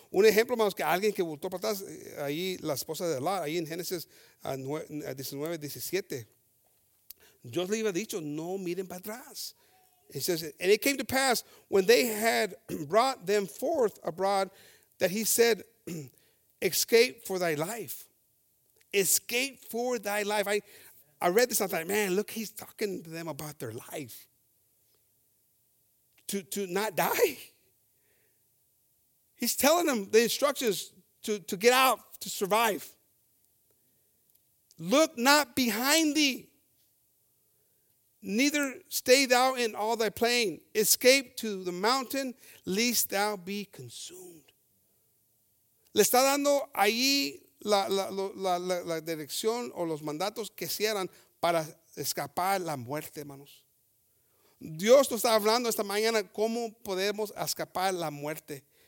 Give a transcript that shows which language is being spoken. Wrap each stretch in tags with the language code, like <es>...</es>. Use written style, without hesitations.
<es>Un ejemplo, hermanos, que alguien que voltó para atrás, ahí la esposa de Lot, ahí en Génesis 19, 17. Dios le había dicho, no miren para atrás.</es> <en>It says, and it came to pass when they had brought them forth abroad that he said, escape for thy life. Escape for thy life. I read this, I thought, man, look, he's talking to them about their life. To not die. He's telling them the instructions to get out, to survive. Look not behind thee, neither stay thou in all thy plain. Escape to the mountain, lest thou be consumed.</en> <es>Le está dando ahí la dirección o los mandatos que hicieran para escapar la muerte, hermanos. Dios nos está hablando esta mañana cómo podemos escapar la muerte.</es>